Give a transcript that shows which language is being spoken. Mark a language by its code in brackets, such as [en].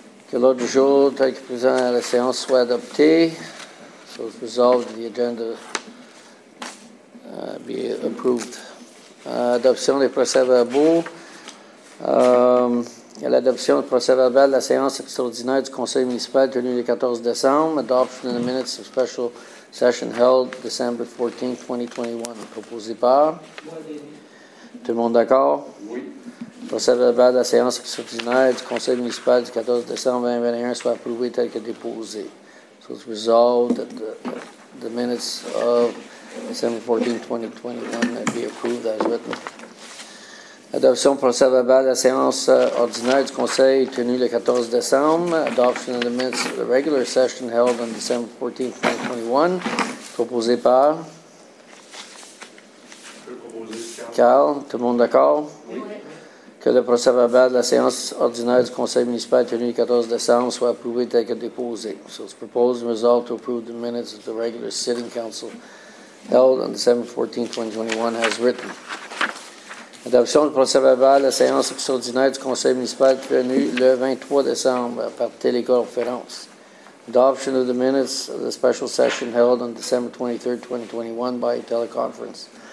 [fr] Que l'ordre du jour, tel que présent à la séance, soit adopté. [en] So it's resolved the agenda be approved. [fr] Adoption des procès-verbaux. À l'adoption du procès-verbal de la séance extraordinaire du conseil municipal tenue le 14 décembre. [en] Adoption in the minutes of special session held December 14, 2021. [fr] Proposé par? Moi, tout le monde d'accord? Oui. Procès-verbal de la séance extraordinaire du conseil municipal du 14 décembre 2021 soit approuvé tel que déposé. [en] So it's resolved that the minutes of December 14, 2021 be approved as written. [fr] Adoption procès-verbal de la séance ordinaire du conseil tenue le 14 décembre. [en] Adoption of the minutes of the regular session held on December 14, 2021. [fr] Proposé par? Carl, tout le monde d'accord? Oui. Que le procès-verbal de la séance ordinaire du conseil municipal tenu le 14 décembre soit approuvé tel que déposé. [en] So it's proposed and resolved to approve the minutes of the regular sitting council held on December 14, 2021 as written. [fr] Adoption du procès-verbal de la séance extraordinaire du conseil municipal tenu le 23 décembre par téléconférence. [en] Adoption of the minutes of the special session held on December 23, 2021 by teleconference.